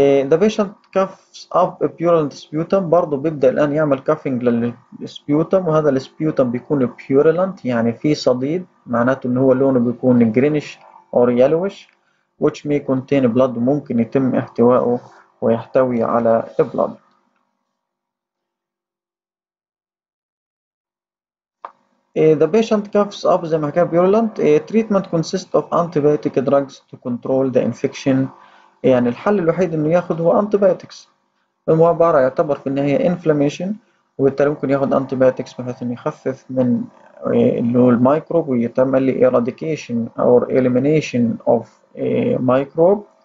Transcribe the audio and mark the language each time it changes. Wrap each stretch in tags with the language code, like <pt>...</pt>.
<en>The patient coughs up a purulent sputum،</en> <ar>برضو بيبدأ الآن يعمل coughing للسبيوتم، وهذا السبيوتم بيكون purulent يعني فيه صديد، معناته إن هو لونه بيكون</ar> <en>greenish or yellowish، which may contain blood،</en> <ar>ممكن يتم احتوائه ويحتوي على blood.</ar> <en>The patient coughs up</en> <ar>زي ما حكى</ar> <en>purulent. Treatment consists of antibiotic drugs to control the infection،</en> <ar>يعني الحل الوحيد انه ياخذ هو antibiotics، هو عبارة يعتبر في النهاية inflammation، وبالتالي ممكن ياخذ antibiotics بحيث انه يخفف من اللي هو الميكروب ويتم</ar> <en>eradication or elimination of</en> <ar>مايكروب،</ar>